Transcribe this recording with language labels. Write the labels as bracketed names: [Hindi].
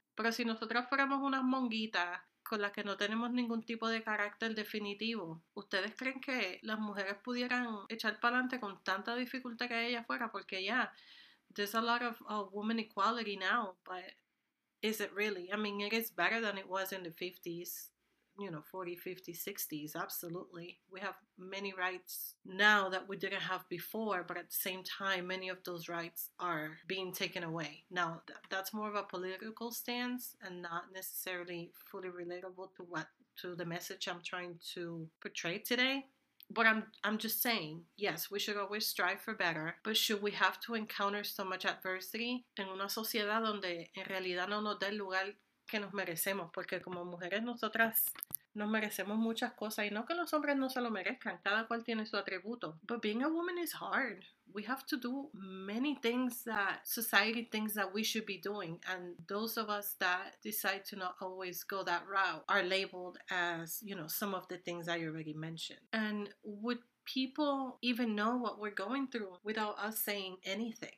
[Spanish] Pero si nosotras fuéramos unas monguitas con las que no tenemos ningún tipo de carácter definitivo, ¿ustedes creen que las mujeres pudieran echar para adelante con tanta dificultad que ella fuera? Porque ya, [English] there's a lot of woman equality now, but is it really? I mean, it is better than it was in the 50s, you know, 40s, 50s, 60s, absolutely. We have many rights now that we didn't have before, but at the same time, many of those rights are being taken away. Now, that's more of a political stance and not necessarily fully relatable to the message I'm trying to portray today. But I'm just saying, yes, we should always strive for better, but should we have to encounter so much adversity [Spanish] en una sociedad donde en realidad no nos da el lugar que nos merecemos? Porque como mujeres nosotras nos merecemos muchas cosas, y no que los hombres no se lo merezcan, cada cual tiene su atributo. [English] But being a woman is hard. We have to do many things that society thinks that we should be doing, and those of us that decide to not always go that route are labeled as, you know, some of the things I already mentioned. And would people even know what we're going through without us saying anything?